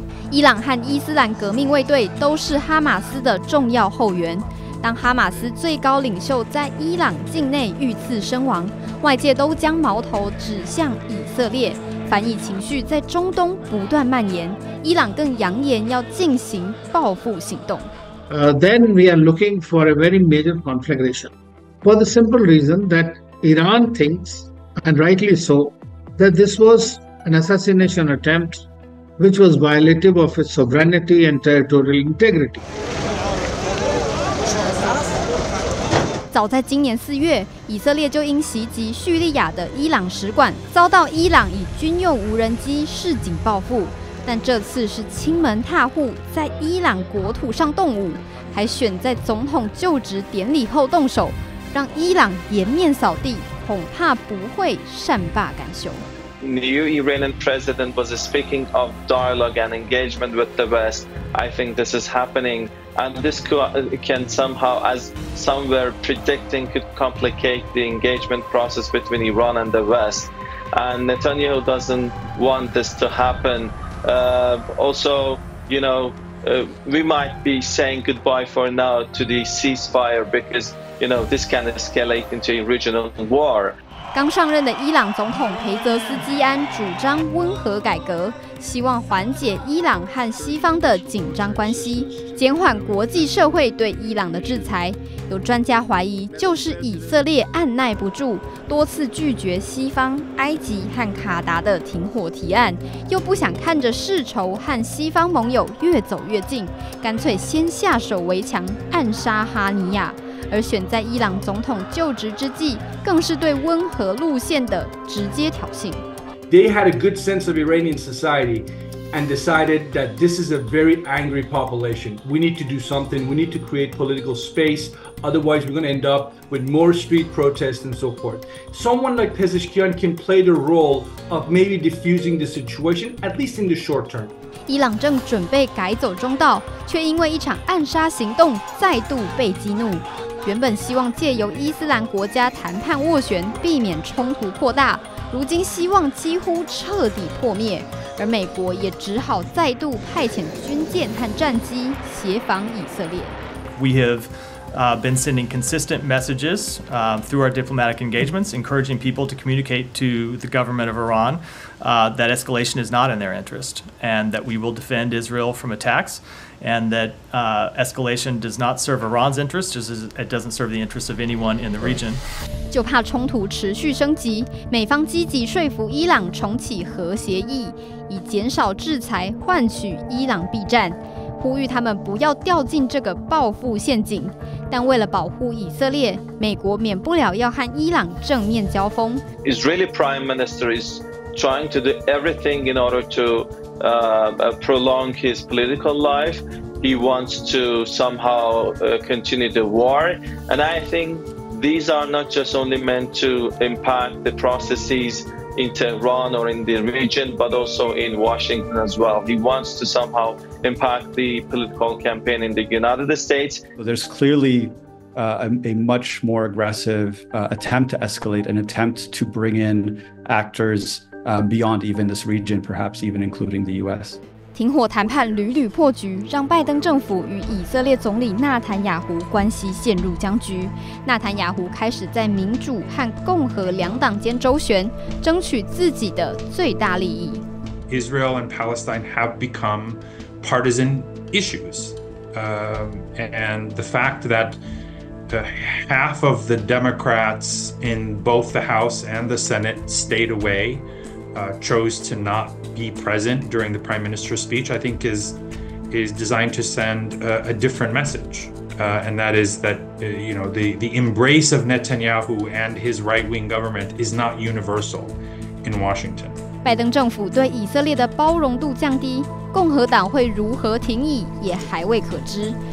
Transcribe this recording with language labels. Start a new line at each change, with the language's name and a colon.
Chinese: 伊朗和伊斯兰革命卫队都是哈马斯的重要后援。当哈马斯最高领袖在伊朗境内遇刺身亡，外界都将矛头指向以色列，反以情绪在中东不断蔓延，伊朗更扬言要进行报复行动。
English: Then we are looking for a very major conflagration, for the simple reason that Iran thinks, and rightly so, that this was an assassination attempt, which was violative of its sovereignty and territorial integrity.
Chinese: 早在今年4月，以色列就因袭击叙利亚的伊朗使馆，遭到伊朗以军用无人机示警报复。但这次是亲门踏户，在伊朗国土上动武，还选在总统就职典礼后动手，让伊朗颜面扫地，恐怕不会善罢甘休。
English: New Iranian president was speaking of dialogue and engagement with the West. I think this is happening. And this can somehow, as some were predicting, could complicate the engagement process between Iran and the West. And Netanyahu doesn't want this to happen. We might be saying goodbye for now to the ceasefire because, you know, this can escalate into a regional war.
Chinese: 刚上任的伊朗总统裴泽斯基安主张温和改革，希望缓解伊朗和西方的紧张关系，减缓国际社会对伊朗的制裁。有专家怀疑，就是以色列按耐不住，多次拒绝西方、埃及和卡达的停火提案，又不想看着世仇和西方盟友越走越近，干脆先下手为强，暗杀哈尼亚。而选在伊朗总统就职之际，更是对温和路线的直接挑衅。
English: They had a good sense of Iranian society and decided that this is a very angry population. We need to do something. We need to create political space. Otherwise, we're going to end up with more street protests and so forth. Someone like Pezeshkian can play the role of maybe diffusing the situation, at least in the short term.
Chinese: 伊朗正准备改走中道，却因为一场暗杀行动再度被激怒。原本希望借由伊斯兰国家谈判斡旋，避免冲突扩大，如今希望几乎彻底破灭。而美国也只好再度派遣军舰和战机协防以色列。
English: We have been sending consistent messages through our diplomatic engagements, encouraging people to communicate to the government of Iran. That escalation is not in their interest, and that we will defend Israel from attacks, and that escalation does not serve Iran's interest, just as it doesn't serve the interest of anyone in the region.
Chinese: 就怕冲突持续升级，美方积极说服伊朗重启核协议，以减少制裁换取伊朗避战，呼吁他们不要掉进这个报复陷阱。但为了保护以色列，美国免不了要和伊朗正面交锋。
English: Israeli Prime Minister is trying to do everything in order to prolong his political life. He wants to somehow continue the war. And I think these are not just only meant to impact the processes in Tehran or in the region, but also in Washington as well. He wants to somehow impact the political campaign in the United States. There's clearly a much more aggressive attempt to escalate, an attempt to bring in actors. Beyond even this region, perhaps even including the U.S.
Chinese: 停火谈判屡屡破局，让拜登政府与以色列总理纳坦雅胡关系陷入僵局。纳坦雅胡开始在民主和共和两党间周旋，争取自己的最大利益。
English: Israel and Palestine have become partisan issues, and the fact that half of the Democrats in both the House and the Senate stayed away. Chose to not be present during the prime minister's speech, I think is designed to send a different message. And that is that, you know, the embrace of Netanyahu and his right-wing government is not universal in Washington.
Chinese: 拜登政府对以色列的包容度降低，共和党会如何停议也还未可知。